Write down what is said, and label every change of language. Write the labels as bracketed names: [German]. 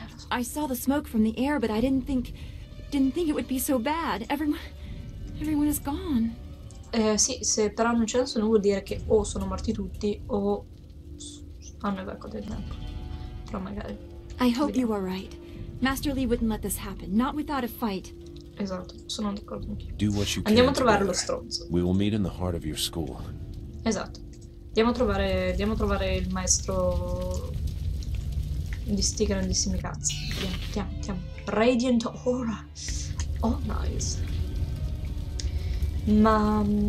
[English] I saw the smoke from the air, but I didn't think it would be so bad. Everyone is gone. [Italian] Sì, se però non c'è nessuno, vuol dire che o sono morti tutti o hanno evacuato del tempo. Però magari. [English] I hope you are right. Master Lee wouldn't let this happen, not without a fight. [Italian] Esatto, sono d'accordo anch'io. [English] Do what you [Italian] andiamo [English] can [Italian] a trovare lo stronzo. [English] We will meet in the heart of your school. [Italian] Esatto. Andiamo a trovare il maestro di sti grandissimi cazzi. Andiamo. Radiant Aura. [English] Oh, nice. [Italian] Ma...